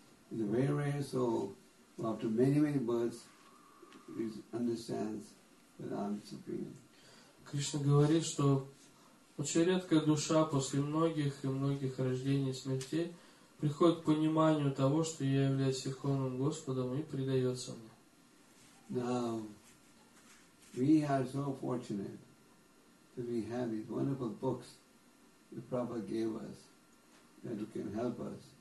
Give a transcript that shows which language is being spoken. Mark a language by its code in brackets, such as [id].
[en] He's a very rare soul who after many, many births understands that I'm supreme. [ru] Кришна говорит, что очень редкая душа после многих и многих рождений и смертей приходит к пониманию того, что я являюсь Верховным Господом и предается мне. [en] Now, we are so fortunate that we have these wonderful books that Prabhupada gave us that can help us.